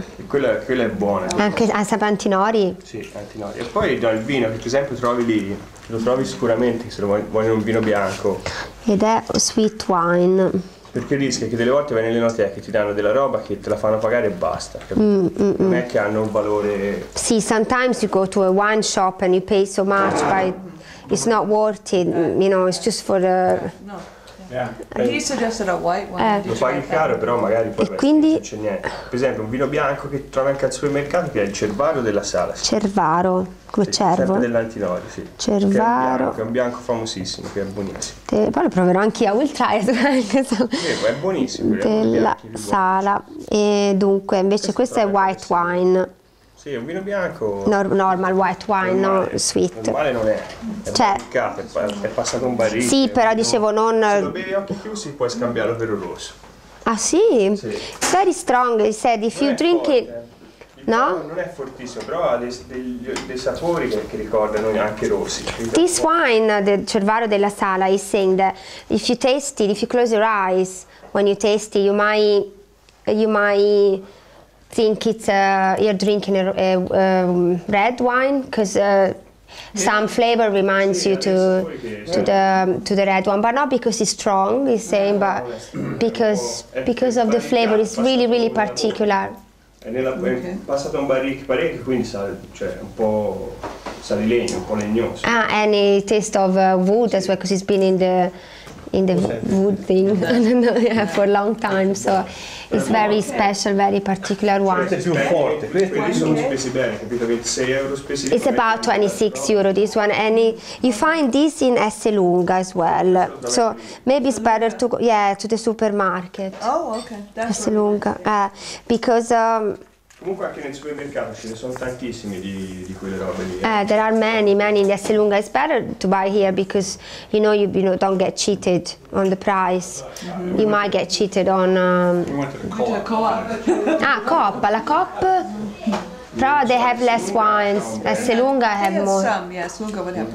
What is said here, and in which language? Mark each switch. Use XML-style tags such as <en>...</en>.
<it>E quella è buona. Anche sapa antinori? Sì, antinori. E poi il vino che per esempio trovi lì, lo trovi sicuramente se lo vuoi un vino bianco. Ed è</it> <en>sweet wine.</en> <it>Perché rischia che delle volte vai nelle note che ti danno della roba che te la fanno pagare e basta. Non è che hanno un valore...</it> <en>Sì, sometimes you go to a wine shop and you pay so much, but it's not worth it, you know, it's just for the... Yeah. He suggested a white wine.</en> <it>Lo paghi caro, però magari poi quindi... non c'è niente. Per esempio, un vino bianco che trovi anche al supermercato, che è il Cervaro della sala. Sì. Cervaro, come sì, cervo? Sempre dell'antinori, sì. Cervaro. Che è un bianco famosissimo, che è buonissimo. Poi lo proverò anche io,</it> <en>will try it.</en> <it>è buonissimo. Della sala. E dunque, invece, questo è</it> <en>white wine.</en> <it>Sì, un vino bianco.</it> <en>Normal white wine, no, sweet.</en> <it>Normale non è. Cioè, è passato un barile. Sì, però dicevo non. Se lo bevi occhi chiusi, puoi scambiarlo per un rosso. Ah sì? Sì.</it> <en>Very strong, he said. If</en> <it>non</it> <en>you drink</en> <it>forte.</it> <en>It. No?</en> <it>Non è fortissimo, però ha dei sapori che ricordano anche rossi.</it> <en>This wine, the Cervaro della Sala, is saying that if you taste it, if you close your eyes when you taste it, you might think it's you're drinking a red wine because some flavor reminds you to the red one, but not because it's strong, he's saying, but because of the flavor, it's really really particular.</en> <it>Passato un barrique parecchio, quindi cioè un po' sale legno, un po' legnoso.</it> <en>Ah, and it tastes of wood as well, because it's been in the wood thing for a long time, so it's very special, very particular one. It's about 26 euro this one, and you find this in Esselunga as well, so maybe it's better to go to the supermarket. Oh, okay. Esselunga, because</en> <it>comunque anche nel supermercato ce ne sono tantissimi di quelle robe lì.</it> <en>There are many in Esselunga. It's better to buy here because you know don't get cheated on the price. Mm-hmm. You might get cheated on We went to the co-op. La Coop. Però they have less wines. Esselunga have more. Yes, Esselunga would have.</en>